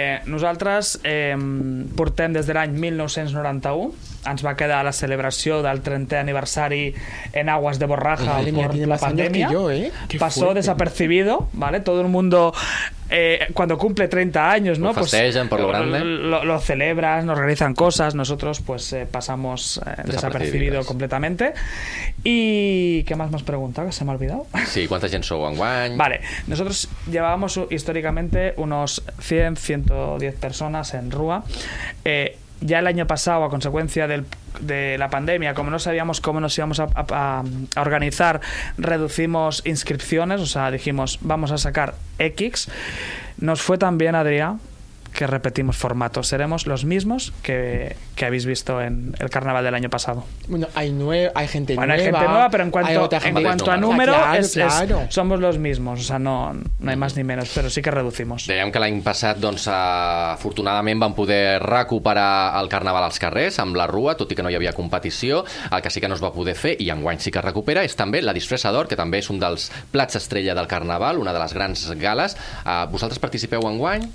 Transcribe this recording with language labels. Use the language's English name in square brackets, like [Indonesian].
[Catalan] Nosaltres portem des de l'any 1991. Ens va quedar la celebració del 30è aniversari [Spanish] en aguas de borraja por la [Catalan] pandèmia. [Spanish] Passó desapercibido, ¿vale? Todo el mundo, cuando cumple 30 años, ¿no? Lo festejan, pues, por lo grande. Lo celebran, nos realizan cosas. Nosotros, pues, pasamos desapercibido completamente. ¿Y qué más me has preguntado? ¿Que se me ha olvidado? Sí, ¿cuánta gente [Catalan] sou en guany? [Spanish] Vale, nosotros llevábamos históricamente unos 100, 110 personas en rúa. Ya el año pasado, a consecuencia de la pandemia, como no sabíamos cómo nos íbamos a organizar, reducimos inscripciones, o sea, dijimos, vamos a sacar X. Nos fue tan bien, Adrià, que repetimos formato. Seremos los mismos que habéis visto en el carnaval del año pasado. Bueno, hay gente nueva. Bueno, hay gente nueva, pero en cuanto a número, claro. Somos los mismos. O sea, no hay más ni menos, pero sí que reducimos. [Catalan] Dèiem que l'any passat, doncs, afortunadament vam poder recuperar el carnaval als carrers, amb la rua, tot i que no hi havia competició. El que sí que no es va poder fer, i enguany sí que recupera, és també la disfressa d'or, que també és un dels plats estrella del carnaval, una de les grans gales. Vosaltres participeu enguany?